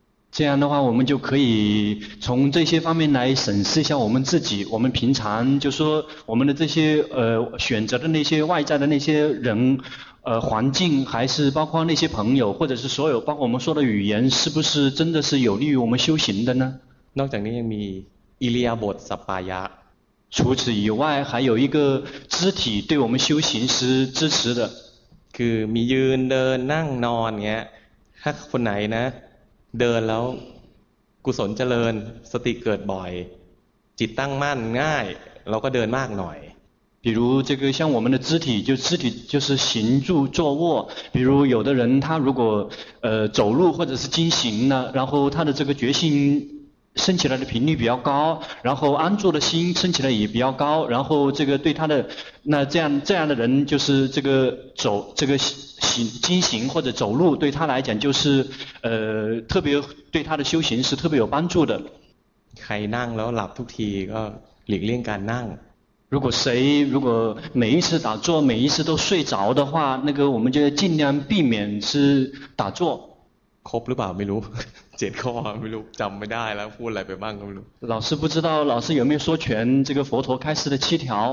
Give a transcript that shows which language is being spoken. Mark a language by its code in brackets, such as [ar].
[zh] 这样的话我们就可以从这些方面来审视一下我们自己我们平常就说我们的这些选择的那些外在的那些人环境还是包括那些朋友或者是所有包括我们说的语言是不是真的是有利于我们修行的呢 [th] นอกจากนี้ยังมีอิริยาบถสัปปายะ [zh] 除此以外还有一个肢体对我们修行是支持的 [th] คือมียืนเดินนั่งนอนเงี้ยถ้าคนไหนนะเดินแล้วกุศลเจริญสติเกิดบ่อยจิตตั้งมั่นง่ายเราก็เดินมากหน่อย [zh] 比如这个像我们的肢体就是行住坐卧比如有的人他如果走路或者是经行呢然后他的这个决心升起来的频率比较高然后安住的心升起来也比较高然后这个对他的那这样的人就是这个走这个经行或者走路对他来讲就是特别对他的修行是特别有帮助的 [th] ใครนั่งแล้วหลับทุกทีก็หลีกเลี่ยงการนั่ง [zh] 如果每一次打坐每一次都睡着的话那个我们就尽量避免是打坐 [th] ครบหรือเปล่าไม่รู้เจ็ดข้อไม่รู้จำไม่ได้แล้วพูดอะไรไปบ้างก็ไม่รู้ [zh] 老师不知道老师有没有说全这个佛陀开示的七条